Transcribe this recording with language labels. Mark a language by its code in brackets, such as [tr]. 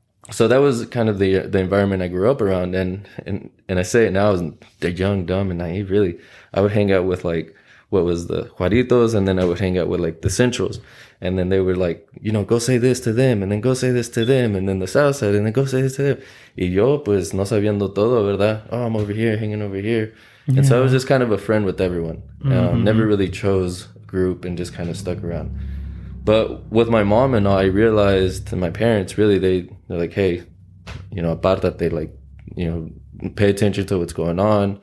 [en] So that was kind of the environment I grew up around. And I say it now, they're young, dumb, and naive, really. I would hang out with, like, what was the Juaritos, and then I would hang out with, like, the Centrals. And then they were like, you know, go say this to them, and then go say this to them, and then the South Side, and then go say this to them. [es] Y yo, pues, no sabiendo todo, ¿verdad? [en] Oh, I'm over here, hanging over here. And yeah. So I was just kind of a friend with everyone. Mm-hmm. Never really chose group and just kind of stuck around. But with my mom and all, I realized, and my parents, really, they're like, hey, you know, apartate, like, you know, pay attention to what's going on.